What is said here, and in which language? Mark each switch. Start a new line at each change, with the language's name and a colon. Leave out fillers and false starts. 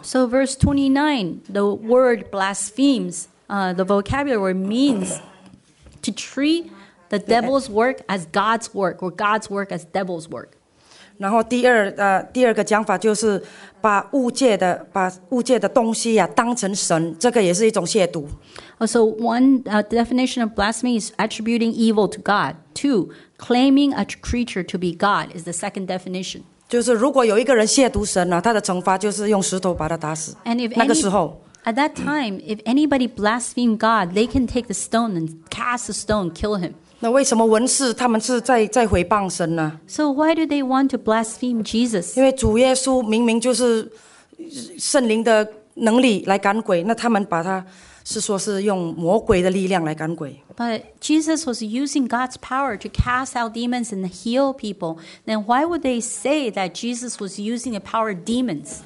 English: So verse 29, the word blasphemes, the vocabulary word means to treat the devil's work as God's work, or God's work as devil's work.
Chinese: 然后第二个讲法就是把物界的东西呀、啊、当成神，这个也是一种亵渎。
English: So one definition of blasphemy is attributing evil to God. Two, claiming a creature to be God is the second definition.
Chinese: 就是如果有一个人亵渎神了、啊，他的惩罚就是用石头把他打死。
English: And if
Chinese: 那个时候
English: at that time, if anybody blasphemed God, they can take the stone and cast the stone, kill him.
Chinese: 那为什么文士他们是在毁谤神呢
English: ？So why do they want to blaspheme Jesus？
Chinese: 因为主耶稣明明就是圣灵的能力来赶鬼，那他们把他是说是用魔鬼的力量来赶鬼。
English: But Jesus was using God's power to cast out demons and heal people. Then why would they say that Jesus was using the power of demons？